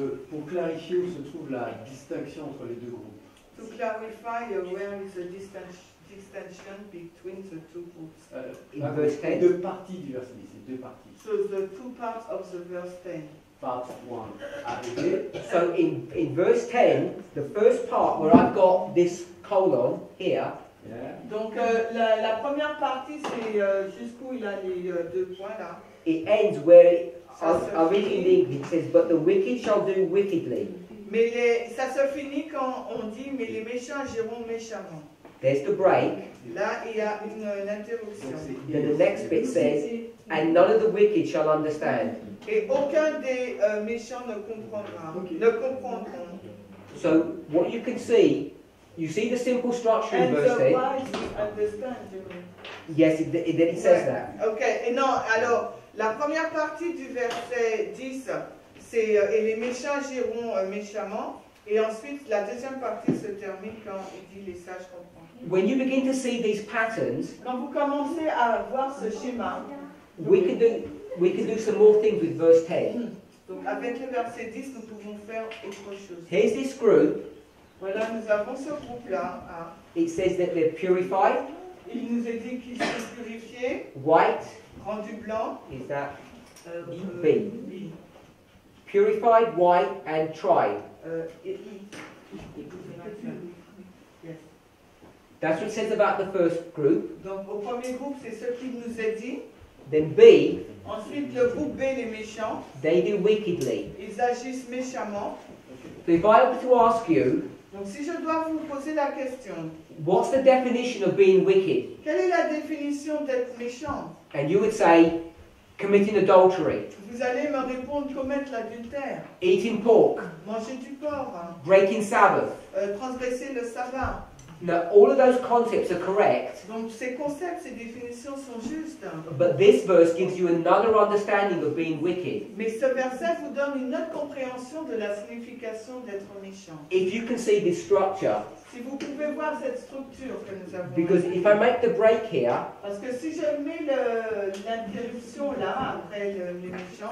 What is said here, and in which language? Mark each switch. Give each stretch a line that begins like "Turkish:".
French: Pour clarifier où se trouve la distinction entre les deux groupes.
English: To clarify where is the distinction between the two groups. In verse 10.
French: Deux parties du verset 10, c'est deux parties.
English: So the two parts of the verse 10. Part 1. So in verse 10, the first part where I've got this colon here. Yeah.
French: Donc la première partie c'est jusqu'où il a les deux points là.
English: It ends where I'll read in English, it says, but the wicked shall do wickedly.
French: Mais ça se finit quand on dit, mais les méchants agiront méchamment.
English: There's the break.
French: Là, il y a une interruption.
English: Then the next bit says, and none of the wicked shall understand.
French: Et aucun des méchants ne comprendra. Okay. Ne comprendra.
English: So, what you can see, you see the simple structure and in verse 8. And the wise understand. Yes, then it says that.
French: Okay, et non, alors... La première partie du verset 10, c'est « Et les méchants agiront méchamment. » Et ensuite, la deuxième partie se termine quand il dit « Les sages comprendront. »
English: When you begin to see these patterns,
French: quand vous commencez à voir ce schéma,
English: we can do some more things with verse 10.
French: Donc, avec le verset 10, nous pouvons faire autre chose.
English: Here's this group.
French: Voilà, nous avons ce groupe-là.
English: It says that they're purified.
French: Il nous est dit qu'ils sont purifiés.
English: White.
French: Rendu blanc.
English: Is that B? Purified, white, and tried. Yes. That's what it says about the first group.
French: Donc au premier groupe, c'est ce qu'il nous a dit.
English: Then B.
French: Ensuite le groupe B, les méchants.
English: They do wickedly.
French: Ils agissent méchamment.
English: So if I were to ask you.
French: Donc si je dois vous poser la question.
English: What's the definition of being wicked?
French: Quelle est la définition d'être méchant?
English: And you would say, committing adultery.
French: Vous allez me répondre, commettre l'adultère.
English: Eating pork.
French: Manger du porc.
English: Breaking Sabbath.
French: Transgresser le sabbat.
English: Now, all of those concepts are correct.
French: Donc, ces concepts, ces définitions sont justes.
English: But this verse gives you another understanding of being wicked.
French: Mais ce verset vous donne une autre compréhension de la signification d'être méchant.
English: If you can see this structure.
French: Si vous pouvez voir cette structure que nous avons.
English: Because if I make the break here.
French: Parce que si je mets l'interruption là, après les méchants.